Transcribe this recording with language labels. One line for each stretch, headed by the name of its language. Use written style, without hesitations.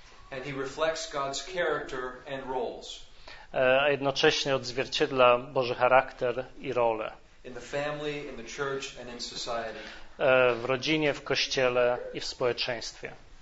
English: And he reflects God's character and roles.
Polish: A jednocześnie odzwierciedla Boży charakter i rolę.
English: In the family, in the church, and in society.
Polish: W rodzinie, w kościele i w społeczeństwie.